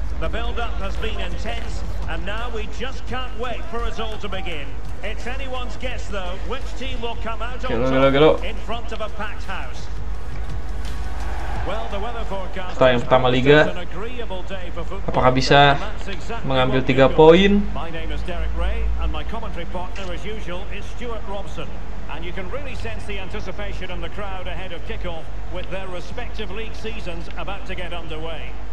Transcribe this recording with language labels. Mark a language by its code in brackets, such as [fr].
[en] The build-up has been intense, and now we just can't wait for us all to begin. It's anyone's guess, though, which team will come out on top in front of a packed house. Well, the weather forecast is an agreeable day for football. [id] Apakah bisa mengambil 3 poin? [en] My name is Derek Ray, and my commentary partner, as usual, is Stuart Robson. And you can really sense the anticipation in the crowd ahead of kickoff with their respective league seasons about to get underway.